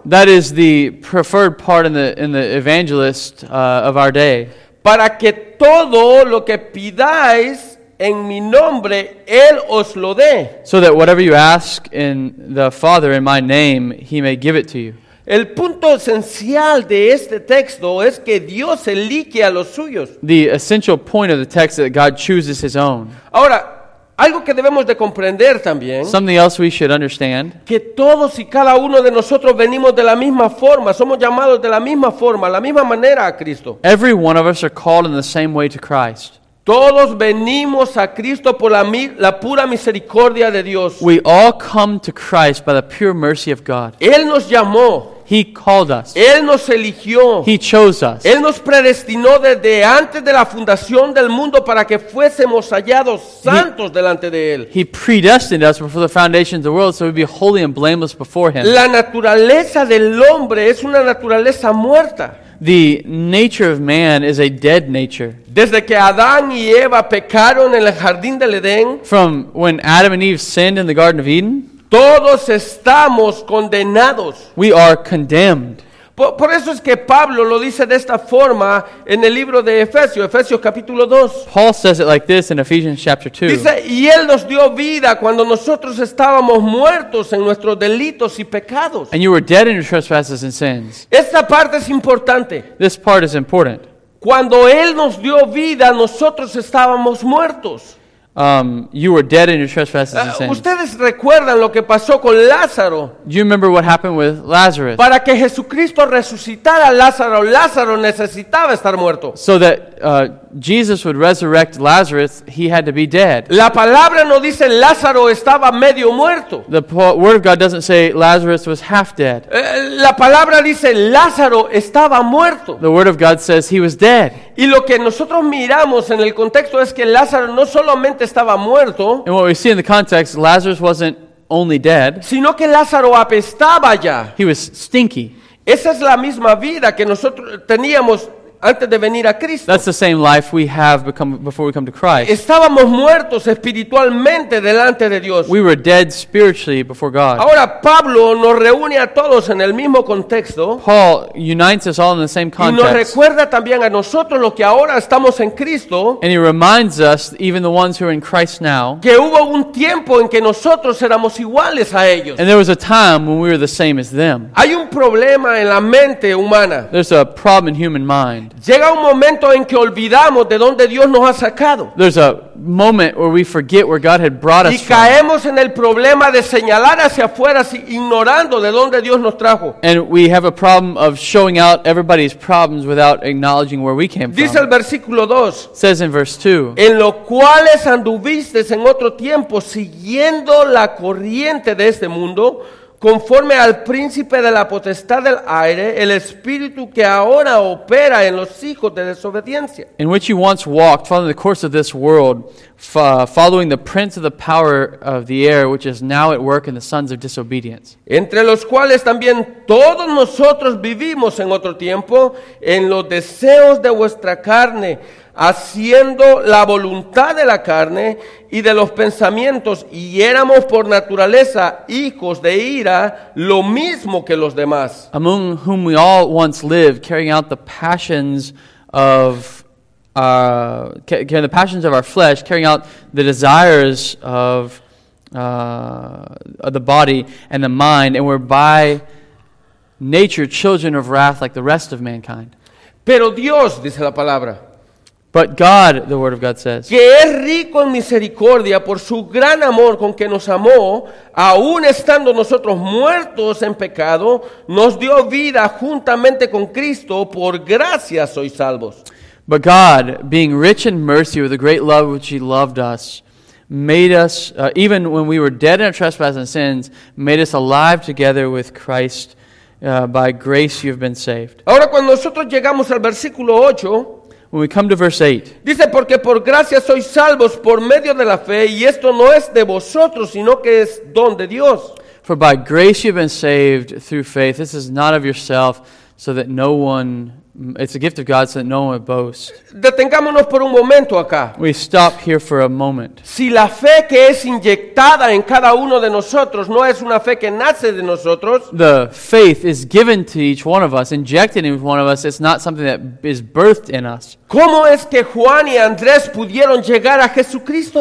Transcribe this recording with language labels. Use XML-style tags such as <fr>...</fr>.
<en>That is the preferred part in the evangelist of our day.</en> <es>Para que todo lo que pidáis en mi nombre, Él os lo dé.</es> <en>So that whatever you ask in the Father in my name, He may give it to you.</en> <es>El punto esencial de este texto es que Dios elige a los suyos.</es> <en>The essential point of the text is that God chooses His own.</en> <es>Ahora, algo que debemos de comprender también.</es> <en>Something else we should understand.</en> <es>Que todos y cada uno de nosotros venimos de la misma forma. Somos llamados de la misma forma, la misma manera a Cristo.</es> <en>Every one of us are called in the same way to Christ.</en> <es>Todos venimos a Cristo por la pura misericordia de Dios.</es> <en>We all come to Christ by the pure mercy of God.</en> <es>Él nos llamó.</es> <en>He called us.</en> <es>Él nos eligió.</es> <en>He chose us.</en> <es>Él nos predestinó desde antes de la fundación del mundo para que fuésemos hallados santos delante de Él.</es> <en>He predestined us before the foundation of the world so we'd be holy and blameless before Him.</en> <es>La naturaleza del hombre es una naturaleza muerta.</es> <en>The nature of man is a dead nature.</en> <es>Desde que Adán y Eva pecaron en el jardín del Edén,</es> <en>from when Adam and Eve sinned in the Garden of Eden,</en> <es>todos estamos condenados.</es> <en>We are condemned.</en> <es>Por eso es que Pablo lo dice de esta forma en el libro de Efesios, Efesios capítulo 2.</es> <en>Paul says it like this in Ephesians chapter 2.</en> <es>Dice, y Él nos dio vida cuando nosotros estábamos muertos en nuestros delitos y pecados.</es> <en>And you were dead in your trespasses and sins.</en> <es>Esta parte es importante.</es> <en>This part is important.</en> <es>Cuando Él nos dio vida, nosotros estábamos muertos.</es> <en>You were dead in your trespasses and sins.</en> <es>¿Ustedes recuerdan lo que pasó con Lázaro?</es> <en>Do you remember what happened with Lazarus?</en> <es>Para que Jesucristo resucitara Lázaro, Lázaro necesitaba estar muerto.</es> <en>So that Jesus would resurrect Lazarus, he had to be dead.</en> <es>La palabra no dice Lázaro estaba medio muerto.</es> <en>The word of God doesn't say Lazarus was half dead.</en> <es>La palabra dice Lázaro estaba muerto.</es> <en>The word of God says he was dead.</en> <es>Y lo que nosotros miramos en el contexto es que Lázaro no solamente estaba muerto.</es> <en>And what we see in the context, Lazarus wasn't only dead.</en> <es>Sino que Lázaro apestaba ya.</es> <en>He was stinky.</en> <es>Esa es la misma vida que nosotros teníamos antes de venir a Cristo.</es> <en>That's the same life we have become before we come to Christ.</en> <es>Estábamos muertos espiritualmente delante de Dios.</es> <en>We were dead spiritually before God.</en> <es>Ahora Pablo nos reúne a todos en el mismo contexto.</es> <en>Paul unites us all in the same context.</en> <es>Y nos recuerda también a nosotros los que ahora estamos en Cristo.</es> <en>And he reminds us, even the ones who are in Christ now,</en> <es>que hubo un tiempo en que nosotros éramos iguales a ellos.</es> <en>And there was a time when we were the same as them.</en> <es>Hay un problema en la mente humana.</es> <en>There's a problem in human mind.</en> <es>Llega un momento en que olvidamos de dónde Dios nos ha sacado.</es> <en>There's a moment where we forget where God had brought us from.</en> <es>Y caemos en el problema de señalar hacia afuera, ignorando de dónde Dios nos trajo.</es> <en>And we have a problem of showing out everybody's problems without acknowledging where we came from.</en> <es>Dice el versículo 2.</es> <en>Says in verse 2.</en> <es>En lo cual anduviste en otro tiempo siguiendo la corriente de este mundo, conforme al príncipe de la potestad del aire, el espíritu que ahora opera en los hijos de desobediencia.</es> <en>In which you once walked, following the course of this world, following the prince of the power of the air, which is now at work in the sons of disobedience.</en> <es>Entre los cuales también todos nosotros vivimos en otro tiempo, en los deseos de vuestra carne, haciendo la voluntad de la carne y de los pensamientos, y éramos por naturaleza hijos de ira, lo mismo que los demás.</es> <en>Among whom we all once lived, carrying out the passions of our flesh, carrying out the desires of the body and the mind, and were by nature children of wrath like the rest of mankind.</en> <es>Pero Dios, dice la palabra,</es> <en>but God, the word of God says,</en> <es>que es rico en misericordia por su gran amor con que nos amó, aun estando nosotros muertos en pecado, nos dio vida juntamente con Cristo, por gracia sois salvos.</es> <en>But God, being rich in mercy with the great love which he loved us, made us, even when we were dead in our trespasses and sins, made us alive together with Christ. By grace you have been saved.</en> <es>Ahora cuando nosotros llegamos al versículo 8,</es> <en>when we come to verse 8.</en> <es>Dice, porque por gracia sois salvos por medio de la fe, y esto no es de vosotros, sino que es don de Dios.</es> <en>For by grace you've been saved through faith. This is not of yourself, so that no one, it's a gift of God, so that no one would boast.</en> <es>Detengámonos por un momento acá.</es> <en>We stop here for a moment.</en> <es>Si la fe que es inyectada en cada uno de nosotros no es una fe que nace de nosotros,</es> <en>the faith is given to each one of us, injected in one of us, it's not something that is birthed in us.</en> <es>¿Cómo es que Juan y Andrés pudieron llegar a Jesucristo?</es>